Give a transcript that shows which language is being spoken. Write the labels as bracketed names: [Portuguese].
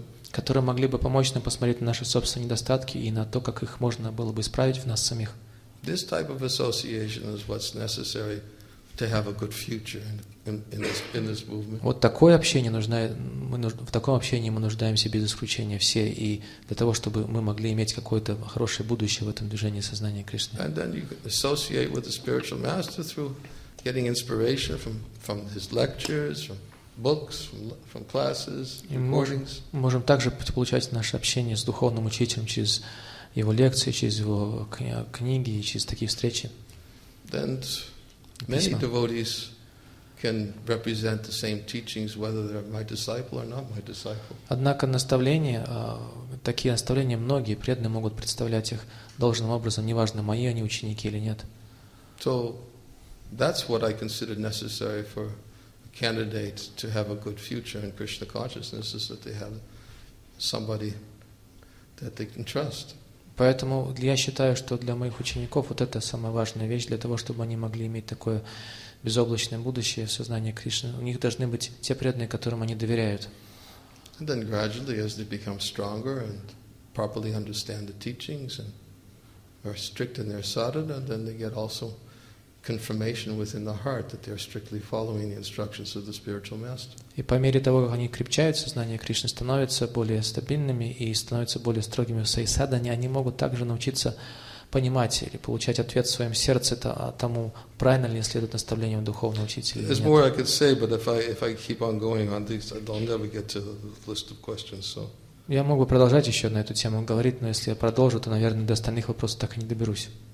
[Russian] Которые могли бы помочь нам посмотреть на наши собственные недостатки и на то, как их можно было бы исправить в нас самих. [English] This type of association is what's necessary to have a good future in this movement. [Russian] Вот такое общение нужно, в таком общении мы нуждаемся без исключения все, и для того, чтобы мы могли иметь какое-то хорошее будущее в этом движении сознания Кришны. [English] And then you associate with the spiritual master through getting inspiration from his lectures, from books, from classes, recordings. [Russian] Мы можем также получать наше общение с духовным учителем через его лекции, через его книги, через такие встречи. [English] Many devotees can represent the same teachings, whether they're my disciple or not my disciple. [Russian] Однако наставления, такие наставления многие преданные могут представлять их должным образом, неважно, мои они ученики или нет. [English] So that's what I consider necessary for a candidate to have a good future in Krishna consciousness, is that they have somebody that they can trust. [Russian] Поэтому я считаю, что для моих учеников вот это самая важная вещь, для того, чтобы они могли иметь такое безоблачное будущее в сознании Кришны. У них должны быть те преданные, которым они доверяют. [English] And then gradually, as they become stronger and properly understand the teachings and are strict in their sadhana, then they get also confirmation within the heart that they are strictly following the instructions of the spiritual master. [Russian] И по мере того, как они крепчают сознание Кришны, становятся более стабильными и становятся более строгими в своей садхане, они могут также научиться понимать или получать ответ в своем сердце тому, правильно ли следует наставлениям духовного учителя. [English] There's more I could say, but if I keep on going on this, I'll never get to the list of questions. So. [Russian] Я могу продолжать еще на эту тему говорить, но если я продолжу, то, наверное, до остальных вопросов так и не доберусь.